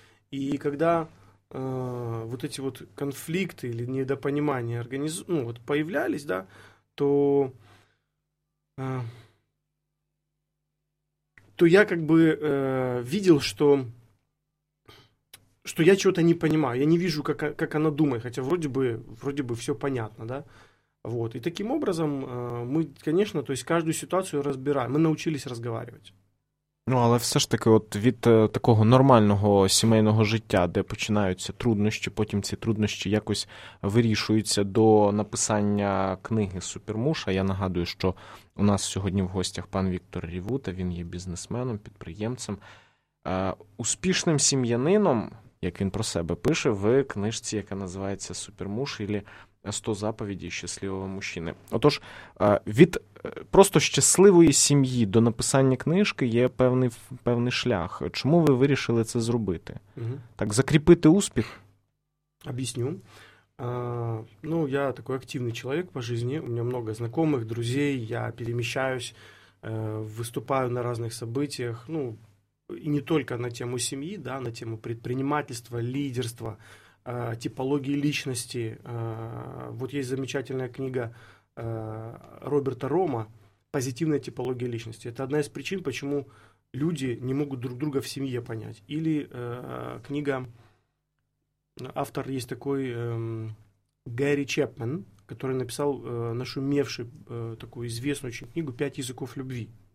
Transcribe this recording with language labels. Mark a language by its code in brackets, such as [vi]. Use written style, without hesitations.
[ru] И когда вот эти вот конфликты или недопонимания вот появлялись, да, то то я как бы видел, что я чего-то не понимаю. Я не вижу, как она думает, хотя вроде бы все понятно, да. Вот. И таким образом мы, конечно, то есть каждую ситуацию разбираем. Мы научились разговаривать. [uk] Ну, але все ж таки, от від такого нормального сімейного життя, де починаються труднощі, потім ці труднощі якось вирішуються до написання книги «Супермуша». Я нагадую, що у нас сьогодні в гостях пан Віктор Рівута, він є бізнесменом, підприємцем. Успішним сім'янином, як він про себе пише, в книжці, яка називається «Супермуш» або «100 заповідей щасливого мужчини». Отож, від просто щасливої сім'ї до написання книжки є певний шлях. Чому ви вирішили це зробити? Угу. Так, закріпити успіх? Об'ясню. Ну, я [ru] такой [uk] активний чоловік по житті. У мене [ru] много [uk] знайомих, друзів. Я переміщаюсь, виступаю на різних [ru] событиях. [uk] Ну, і не тільки на тему сім'ї, да, на тему [ru] предпринимательства, [uk] лідерства, типології личності. [ru] Вот є замечательна книга Роберта Рома «Позитивная типология личности». Это одна из причин, почему люди не могут друг друга в семье понять. Или книга, автор есть такой Гэри Чепмен, который написал нашумевшую такую известную очень книгу «Пять языков любви».